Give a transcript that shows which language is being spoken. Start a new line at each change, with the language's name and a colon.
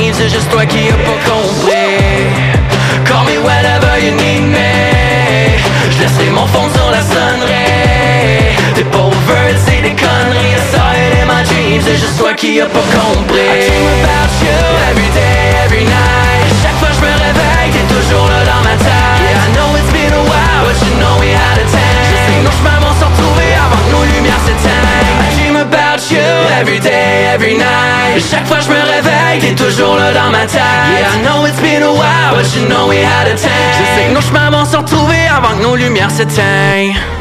French: Juste toi qui a pas compris.
English: Call me whenever you need me.
French: Je laisserai mon fond sur la sonnerie. T'es pas
English: over it,
French: c'est des conneries. Ça et les
English: my dreams.
French: C'est juste toi qui a pas compris.
English: I dream about you every day, every night.
French: Chaque fois je me réveille, t'es toujours là dans ma tête.
English: Yeah, I know it's been a while, but you know we had a time.
French: Je sais que nos chemins vont s'en retrouver avant que nos lumières s'éteignent.
English: About you every day, every night.
French: Chaque fois je me réveille, t'es toujours là dans ma tête.
English: Yeah, I know it's been a while, but you know we had a time.
French: Je sais que nos chemins vont se retrouver avant que nos lumières s'éteignent.